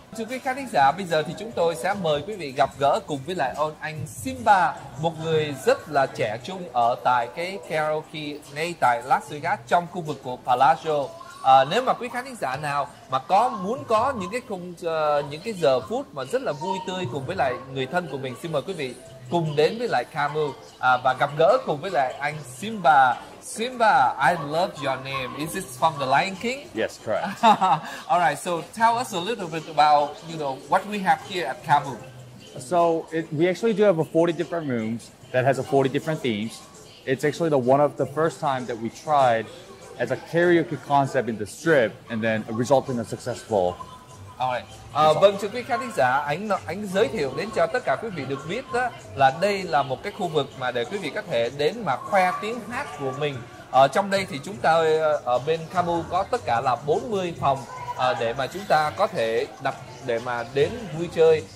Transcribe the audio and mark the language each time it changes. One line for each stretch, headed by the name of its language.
Vietnamese: Thưa quý khán giả, bây giờ thì chúng tôi sẽ mời quý vị gặp gỡ cùng với lại anh Simba, một người rất là trẻ trung ở tại cái karaoke ngay tại Las Vegas trong khu vực của Palazzo. Nếu mà quý khán giả nào mà có muốn có những cái giờ phút mà rất là vui tươi cùng với lại người thân của mình, xin mời quý vị cùng đến với lại Camu và gặp gỡ cùng với lại anh Simba.
English: Simba, I love your name. Is this from The Lion King? Yes, correct. All right, so tell us a little bit about, you know, what we have here at Camu. So we actually do have a 40 different rooms that has a 40 different themes. It's actually the first time that we tried as a karaoke concept in the strip and then resulted in a successful.
Vietnamese: Vâng, thưa quý khán giả, anh giới thiệu đến cho tất cả quý vị được biết đó, là đây là một cái khu vực mà để quý vị có thể đến mà khoe tiếng hát của mình. Ở trong đây thì chúng ta ở bên Camu có tất cả là 40 phòng để mà chúng ta có thể đặt để mà đến vui chơi.